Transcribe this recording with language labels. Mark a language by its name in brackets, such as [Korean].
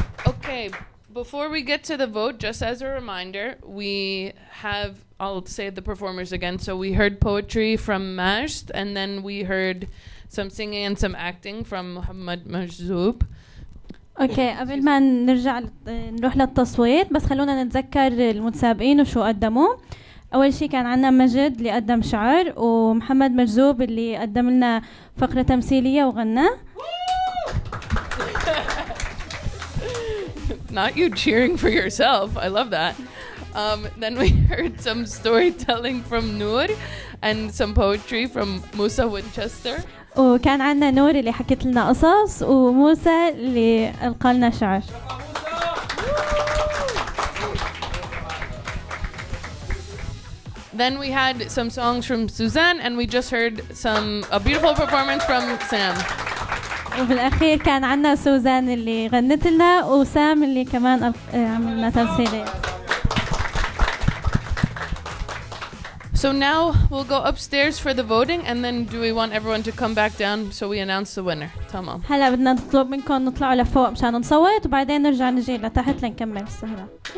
[English] Okay, before we get to the vote, just as a reminder, we have, I'll say the performers again. So we heard poetry from Majd, and then we heard some singing and some acting from Muhammad Majzoub. [Arabic] اوكي قبل ما نرجع نروح للتصويت بس خلونا نتذكر المتسابقين وشو قدموا. اول شيء كان عندنا مجد اللي قدم شعر ومحمد مجذوب اللي قدم لنا فقره تمثيليه وغنى. [English] Not you cheering for yourself. I love that. Then we heard some storytelling from Noor and some poetry from Musa Winchester. [Arabic] وكان عندنا نور اللي حكت لنا قصص وموسى اللي القى لنا شعر. [English] Then we had some songs from Suzanne and we just heard a beautiful performance from Sam. [Arabic] وبالأخير كان عندنا سوزان اللي غنت لنا وسام اللي كمان عملنا تمثيلين. [English] So now we'll go upstairs for the voting and then do we want everyone to come back down so we announce the winner. [Arabic] Tamam. هلا بدنا نطلب منكم نطلعوا لفوق مشان نصوت وبعدين نرجع نجي لتحت لنكمل السهرة.